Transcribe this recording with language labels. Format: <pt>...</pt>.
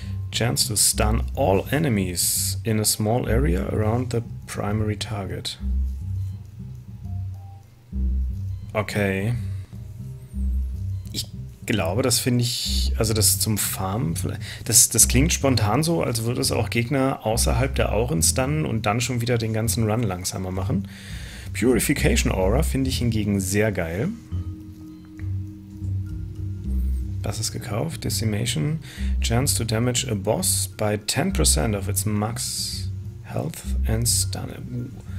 <en>Chance to stun all enemies in a small area around the primary target. Okay.</en> <de>Ich glaube, das finde ich... Also das zum Farmen vielleicht... Das klingt spontan so, als würde es auch Gegner außerhalb der Auren stunnen und dann schon wieder den ganzen Run langsamer machen. Purification Aura finde ich hingegen sehr geil. Was ist gekauft? Decimation.</de> <en>Chance to damage a boss by 10% of its max health and stun.</en>